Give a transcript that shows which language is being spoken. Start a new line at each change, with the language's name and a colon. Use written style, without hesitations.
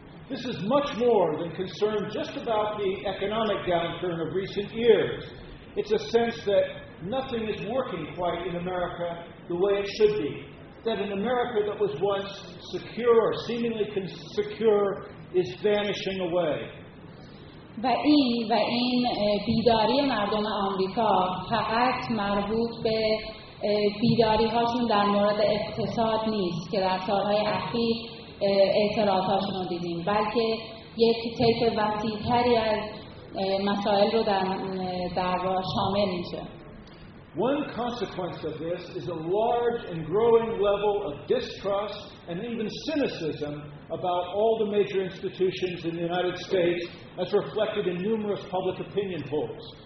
English: This is much more than concern just about the economic downturn of recent years. It's a sense that nothing is working quite in America the way it should be. That an America that was once secure or seemingly secure is vanishing away.
Persian: و این بیداری مردم آمریکا فقط مربوط به بیداری هاشون در مورد اقتصاد نیست که در سالهای اخیر اعتراض هاشون رو دیدیم، بلکه یک طیف وسیع تری از مسائل رو در واقع شامل میشه.
English: One consequence of this is a large and growing level of distrust and even cynicism about all the major institutions in the United States as reflected in numerous public opinion polls.